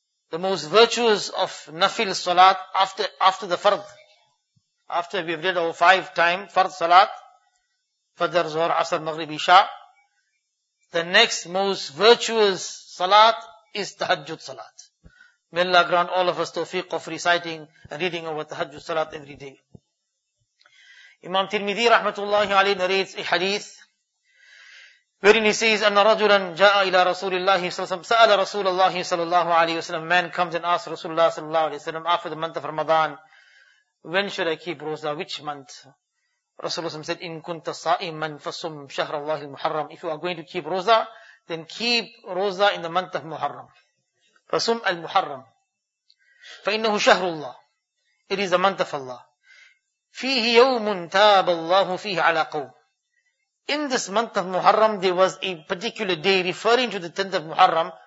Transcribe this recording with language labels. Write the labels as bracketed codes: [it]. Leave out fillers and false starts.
[en] The most virtuous of nafil salat after the fard, after we have read our 5 times fard salat, fajr, zuhr, asr, maghrib, isha, the next most virtuous salat is tahajjud salat. May Allah grant all of us tawfiq of reciting and reading our tahajjud salat every day. Imam Tirmidhi rahmatullahi alayhi narrates a hadith wherein he says, [ar] أن رجلا جاء إلى رسول الله صلى الله عليه وسلم سأل رسول الله صلى الله عليه وسلم. [en] Man comes and asks Rasulullah [ar] صلى الله عليه وسلم [en] after the month of Ramadan, when should I keep roza? Which month? Rasulullah said, [ar] إن كنت صائما فصم شهر الله المحرم. [en] If you are going to keep roza, then keep roza in the month of Muharram. [ar] فصم المحرم. فإنه شهر الله. [en] It is the month of Allah. [ar] فيه يوم تاب الله فيه على قوم. [en] In this month of Muharram, there was a particular day referring to the 10th of Muharram.